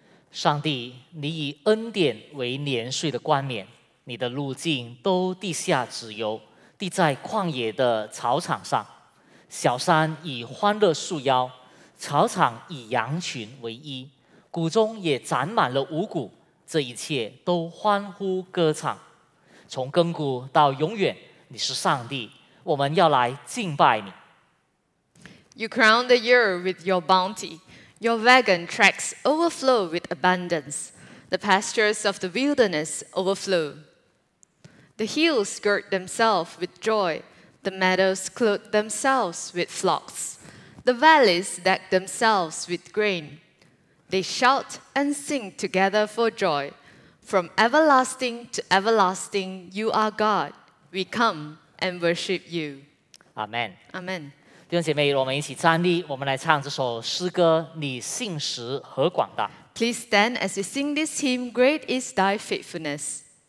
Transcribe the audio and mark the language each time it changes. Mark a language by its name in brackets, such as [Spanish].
[Chinese] 上帝，你以恩典为年岁的冠冕，你的路径都地下直游，地在旷野的草场上，小山以欢乐束腰，草场以羊群为衣，谷中也长满了五谷，这一切都欢呼歌唱。从亘古到永远，你是上帝，我们要来敬拜你。 [English] You crown the year with your bounty. Your wagon tracks overflow with abundance. The pastures of the wilderness overflow. The hills gird themselves with joy. The meadows clothe themselves with flocks. The valleys deck themselves with grain. They shout and sing together for joy. From everlasting to everlasting, you are God. We come and worship you. Amen. Amen. [Chinese] 弟兄姐妹，我们一起站立，我们来唱这首诗歌《你信实何广大》。 [English] Please stand as we sing this hymn, Great is Thy Faithfulness.